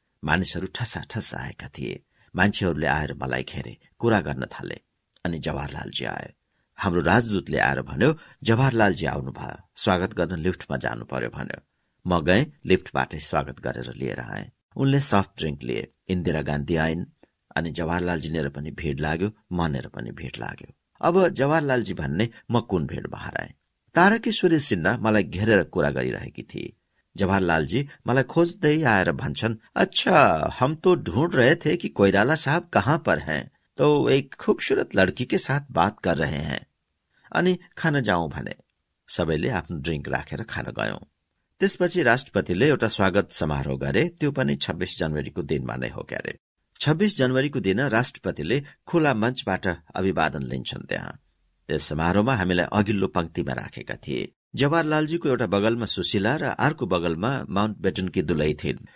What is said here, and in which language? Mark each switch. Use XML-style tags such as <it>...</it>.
<ne>मानिसहरू ठसा ठसा आएका थिए। मान्छेहरूले आएर मलाई घेरे, कुरा गर्न थाले, अनि जवाहरलालजी आए। हाम्रो राजदूतले आएर भन्यो, जवाहरलालजी आउनुभयो, स्वागत गर्न लिफ्टमा जानु पर्यो भन्यो। म गएँ, लिफ्टबाटै स्वागत गरेर लिएर आएँ। उनले सफ्ट ड्रिङ्क लिए, इन्दिरा गान्धी आइन, अनि जवाहरलालजीनेर पनि भिड लाग्यो, मनेर पनि भिड लाग्यो। अब जवाहरलालजी भन्ने म कुन भिडमा हराएँ। तारकेश्वरी सिन्हा मलाई घेरेर कुरा गरिरहेकी थिए। जवाहरलालजी मलाई खोज्दै आएर भन्छन्,</ne> <hi>अच्छा हम तो ढूंढ रहे थे कि कोइराला साहब कहाँ पर हैं, तो एक खूबसूरत लड़की के साथ बात कर रहे हैं,</hi> <ne>अनि खान जाऊ भने। सबैले आफ्नो ड्रिंक राखेर खान गयौं। त्यसपछि राष्ट्रपतिले एउटा स्वागत समारोह गरे, त्यो पनि 26 जनवरीको दिनमा नै हो क्यारे। 26 जनवरीको दिन राष्ट्रपतिले खुला मञ्चबाट अभिवादन लिन्छन् त्यहाँ। त्यस समारोहमा हामीलाई अघिल्लो पंक्तिमा राखेका थिए। जवाहरलालजीको एउटा बगलमा सुशीला र अर्को बगलमा माउन्ट बेटनकी दुलही थिइन्।</ne>